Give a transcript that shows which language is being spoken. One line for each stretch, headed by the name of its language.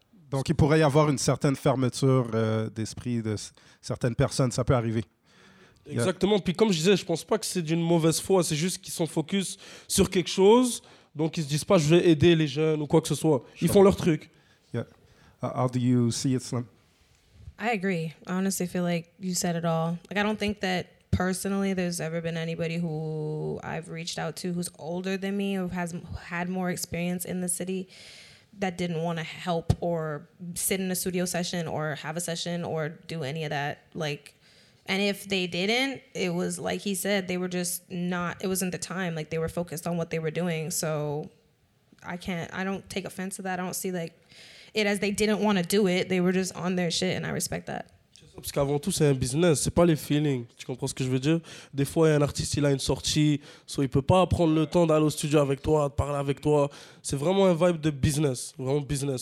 French: Donc il pourrait y avoir une certaine fermeture d'esprit de certaines personnes, ça peut arriver. Exactement, puis comme je disais, je pense pas que c'est d'une mauvaise foi, c'est juste qu'ils sont focus sur quelque chose, donc ils se disent pas je vais aider les jeunes ou quoi que ce soit. Ils font leur truc.
English: Yeah. How do you see it, Slim? I agree. I honestly feel like you said it all. Like, I don't think that personally there's ever been anybody who I've reached out to who's older than me or has had more experience in the city that didn't want to help or sit in a studio session or have a session or do any of that. Like, and if they didn't, it was like he said, they were just not, it wasn't the time. Like, they were focused on what they were doing. So I don't take offense to that. I don't see like, it as they didn't want to do it, they were just on their shit, and I respect that.
French: Parce qu'avant tout, c'est un business, c'est pas les feelings. Tu comprends ce que je veux dire? Des fois, un artiste, il a une sortie, soit il peut pas prendre le temps d'aller au studio avec toi, de parler avec toi. C'est vraiment un vibe de business, vraiment business.